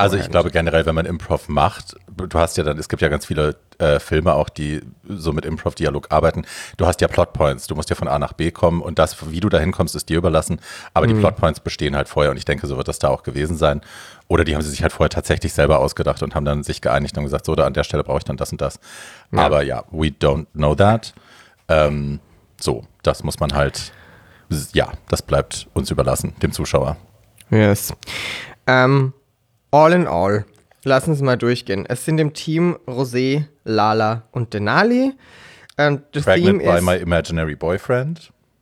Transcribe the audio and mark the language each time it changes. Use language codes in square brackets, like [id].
[de] Also ich glaube generell, wenn man Improv macht, du hast ja dann, es gibt ja ganz viele Filme auch, die so mit Improv-Dialog arbeiten, du hast ja Plotpoints, du musst ja von A nach B kommen und das, wie du da hinkommst, ist dir überlassen, aber die Plotpoints bestehen halt vorher und ich denke, so wird das da auch gewesen sein. Oder die haben sie sich halt vorher tatsächlich selber ausgedacht und haben dann sich geeinigt und gesagt, so, da an der Stelle brauche ich dann das und das. Ja. Aber ja, [en] we don't know that. [de] So, das muss man halt, ja, das bleibt uns überlassen, dem Zuschauer. [en] Yes. All in all, [de] lass uns mal durchgehen. Es sind im Team Rosé, Lala und Denali. [en] Pregnant by my imaginary boyfriend.